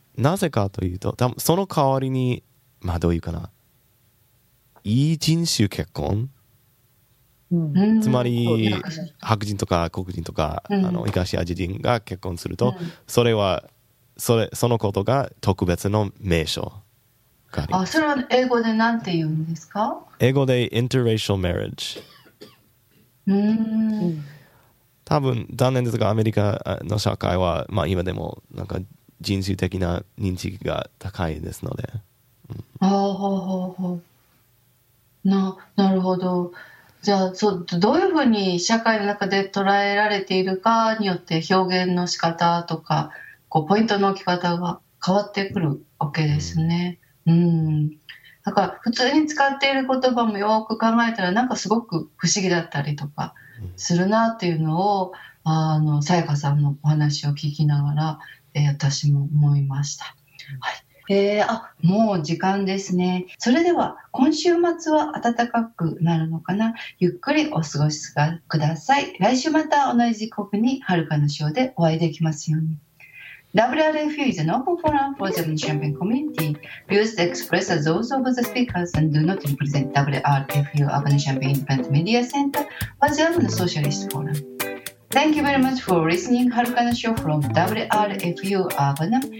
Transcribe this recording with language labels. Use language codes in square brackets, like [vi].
[ja] なぜかというとその代わりにまあどういうかな異人種結婚うん、つまり白人とか黒人とか、うん、イカシア人が結婚すると、うん、それはそのことが特別の名称があります。あ、それは英語で何て言うんですか。英語で interracial marriage。うーん、多分残念ですがアメリカの社会は、まあ、今でもなんか人種的な認知が高いですので、うん、ほうほうほう なるほど。じゃあそうどういうふうに社会の中で捉えられているかによって表現の仕方とかこうポイントの置き方が変わってくるわけですね。だから普通に使っている言葉もよく考えたらなんかすごく不思議だったりとかするなっていうのをさやかさんのお話を聞きながら、私も思いました、はい。もう時間ですね。それでは今週末は暖かくなるのかな、ゆっくりお過ごしください。来週また同じ時刻に遥かの潮でお会いできますように。 [en] WRFU is an open forum for the Champion community. Views expressed are those of the speakers and do not represent WRFU of the Champion Independent Media Center or the German Socialist Forum. Thank you very much for listening to Harukana Show from WRFU Urbana.